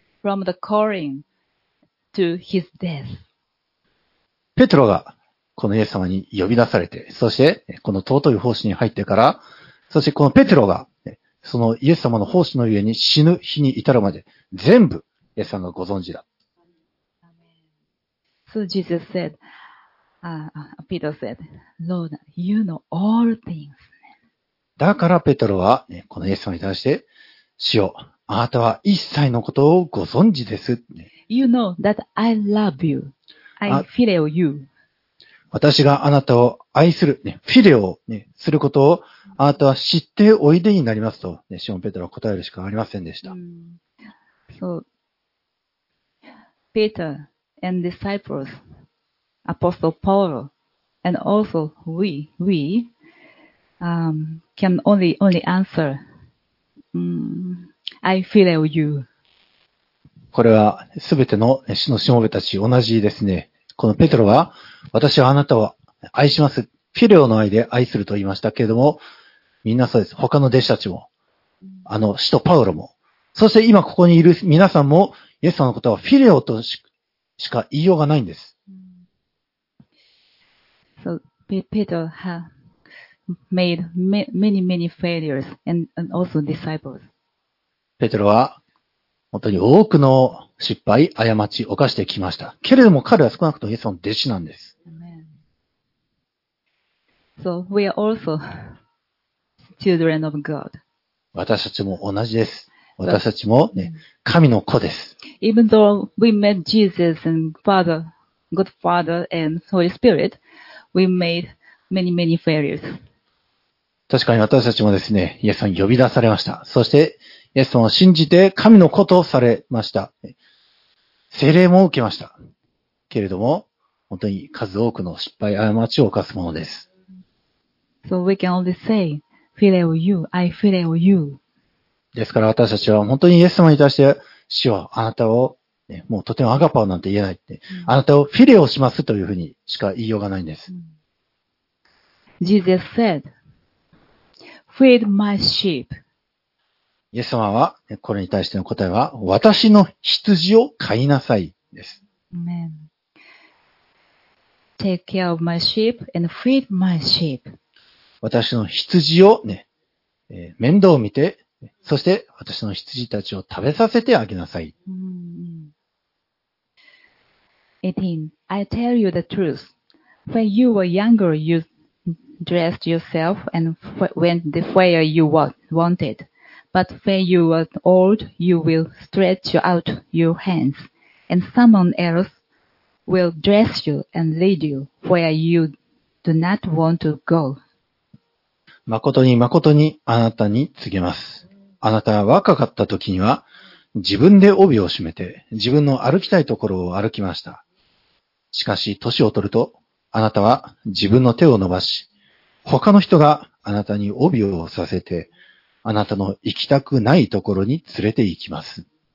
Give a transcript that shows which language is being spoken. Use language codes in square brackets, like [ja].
[en] From the calling to his death. [ja] ペテロがこのイエス様に呼び出されて、そしてこの尊い奉仕に入ってから、そしてこのペテロがそのイエス様の奉仕のゆえに死ぬ日に至るまで全部イエス様がご存知だ。 [en] So Jesus said, Peter said, Lord, you know all things. [ja] だからペテロは、ね、このイエス様に対して、主よ、あなたは一切のことをご存知です。 [en] You know that I love you. I feel you. [ja] 私があなたを愛する、ね、フィレオ、ね、することをあなたは知っておいでになりますと、ね、シモン・ペテロは答えるしかありませんでした。 [en] So, Peter and disciples, Apostle Paul, and also we can only answer,I feel you. [ja] これはすべての主のしもべたち同じですね。このペテロは、私はあなたを愛します。フィレオの愛で愛すると言いましたけれども、みんなそうです。他の弟子たちも、あの使徒パウロも、そして今ここにいる皆さんも、イエス様のことはフィレオとしか言いようがないんです。 [en] So, Peter has made many, many failures and also disciples. [ja] ペテロは本当に多くの失敗、過ちを犯してきました。けれども彼は少なくともイエス様の弟子なんです。 [en] So we are also children of God. [ja] 私たちも同じです。私たちも、ね、神の子です。 [en] Even though we met Jesus and Father, God Father and Holy Spirit, we made many, many failures. [ja] 確かに私たちもですね、イエス様に呼び出されました。そして、イエス様を信じて神のことをされました。聖霊も受けました。けれども、本当に数多くの失敗、過ちを犯すものです。 [en] So we can only say, Fileo you, I Fileo you. [ja] ですから私たちは本当にイエス様に対して、主はあなたを、ね、もうとてもアガパオなんて言えないって、あなたをフィレオしますというふうにしか言いようがないんです。 [en] Jesus said, Feed my sheep. [ja] イエス様は、これに対しての答えは、私の羊を飼いなさいです。 [en] Amen. Take care of my sheep and feed my sheep. [ja] 私の羊を、ね、面倒を見て、そして私の羊たちを食べさせてあげなさい。 [en] 18. I tell you the truth. When you were younger, you dressed yourself and went the way you wanted. But when you are old, you will stretch out your hands, and someone else will dress you and lead you where you do not want to go. [ja] 誠に誠にあなたに告げます。あなたは若かった時には自分で帯を締めて自分の歩きたいところを歩きました。しかし年を取るとあなたは自分の手を伸ばし、他の人があなたに帯をさせてあなたの行きたくないところに連れて行きます。